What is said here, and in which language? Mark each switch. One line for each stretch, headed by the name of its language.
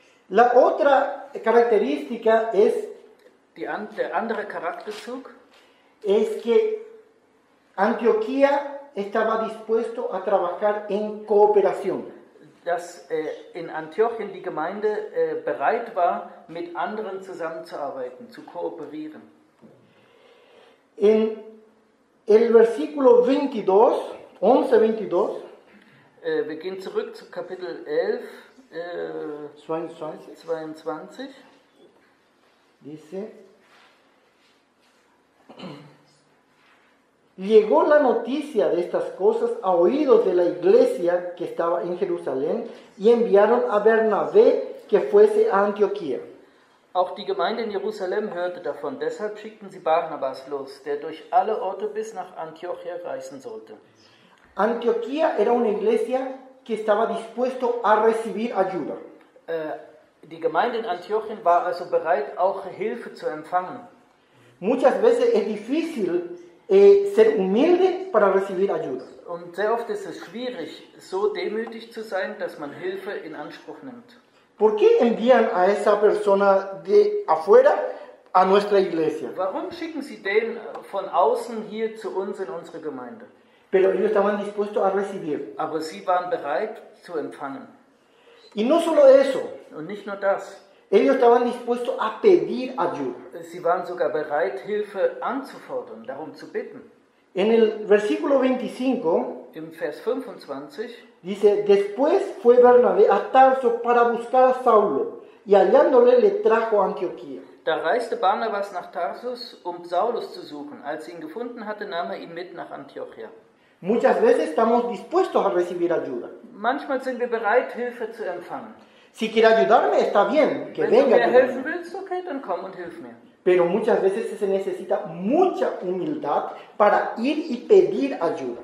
Spanish: La otra característica es
German: der andere Charakterzug
Spanish: es que Antioquía estaba dispuesto a trabajar en cooperación.
German: Dass in Antiochien die Gemeinde bereit war, mit anderen zusammenzuarbeiten, zu kooperieren.
Spanish: In el versículo 22, 11-22,
German: wir gehen zurück zu Kapitel 11, 22.
Spanish: Dice: Llegó la noticia de estas cosas a oídos de la iglesia que estaba en Jerusalén y enviaron a Bernabé que fuese a Antioquía.
German: Auch die Gemeinde in Jerusalem hörte davon, deshalb schickten sie Barnabas los, der durch alle Orte bis nach Antioquía reisen sollte.
Spanish: Antioquía era una iglesia que estaba dispuesto a recibir ayuda.
German: Die Gemeinde in Antiochien war also bereit, auch Hilfe zu empfangen.
Spanish: Muchas veces es difícil ser humilde para recibir ayuda.
German: Und sehr oft ist es schwierig, so demütig zu sein, dass man Hilfe in Anspruch nimmt.
Spanish: ¿Por qué envían a esa persona de afuera a nuestra iglesia?
German: Warum schicken sie den von außen hier zu uns in unsere Gemeinde?
Spanish: Pero ellos estaban dispuestos a recibir.
German: Aber sie waren bereit zu empfangen.
Spanish: Y no solo eso.
German: Und nicht nur das.
Spanish: Ellos estaban dispuestos a pedir ayuda.
German: Sie waren sogar bereit, Hilfe anzufordern, darum zu bitten.
Spanish: En el versículo 25,
German: im Vers 25,
Spanish: dice, después fue Bernabé a Tarso para buscar a Saulo, y hallándole le trajo a Antioquía.
German: Da reiste Barnabas nach Tarsus, um Saulus zu suchen. Als sie ihn gefunden hatte, nahm er ihn mit nach Antioquía.
Spanish: Muchas veces estamos dispuestos a recibir ayuda.
German: Manchmal sind wir bereit, Hilfe zu empfangen.
Spanish: Si quiere ayudarme, está bien, que
German: wenn
Spanish: venga.
German: Wenn du mir helfen willst, okay, dann komm und hilf mir.
Spanish: Pero muchas veces se necesita mucha humildad para ir y pedir ayuda.